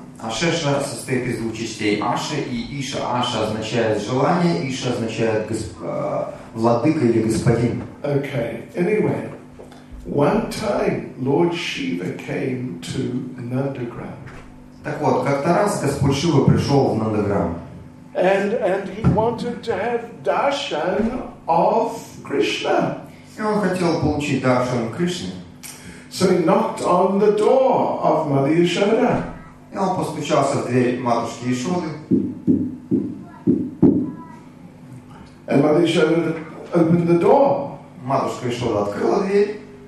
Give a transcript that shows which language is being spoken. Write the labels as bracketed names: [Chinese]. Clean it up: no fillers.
[Russian] Ашеша состоит из двух частей – Аша и Иша. Аша означает желание, Иша означает владыка или господин. [English] Okay. Anyway, one time Lord Shiva came to Nandagram. [Russian] Так вот, как-то раз Господь Шива пришел в Нандаграм. [English] And he wanted to have darshan of Krishna. [Russian] И он хотел получить даршан Кришны. [English] So he knocked on the door of Mother Yashoda. [Russian] И он постучался в дверь матушки Ишоды. [English] And Mother Yashoda opened the door. [Russian] Матушка Ишода открыла дверь.